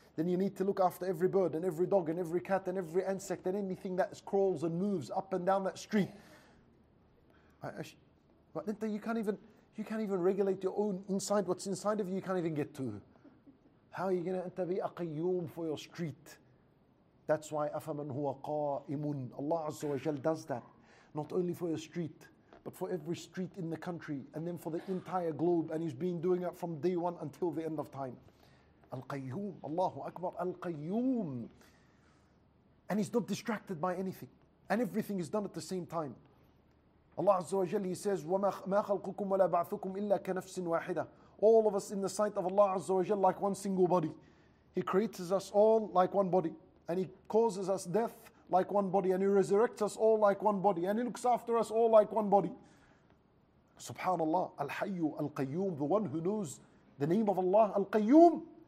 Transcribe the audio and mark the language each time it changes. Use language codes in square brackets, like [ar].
[en] Then you need to look after every bird and every dog and every cat and every insect and anything that crawls and moves up and down that street. But then you can't even regulate your own inside. What's inside of you, you can't even get to. How are you going to be a qayyum for your street? That's why [ar] أَفَمَنْ هُوَ قَائِمٌ. [en] Allah Azza wa Jal does that, not only for your street, but for every street in the country, and then for the entire globe, and He's been doing it from day one until the end of time. Al-Qayyum, Allahu Akbar, Al-Qayyum. And He's not distracted by anything, and everything is done at the same time. Allah Azza wa Jal, He says, [ar] وَمَا خَلْقُكُمْ وَلَا بَعْثُكُمْ إِلَّا كَنَفْسٍ وَاحِدَةٍ. [en] All of us in the sight of Allah Azza wa Jal like one single body. He creates us all like one body. And He causes us death like one body. And He resurrects us all like one body. And He looks after us all like one body. Subhanallah, Al-Hayyu, Al-Qayyum, the one who knows the name of Allah, Al-Qayyum.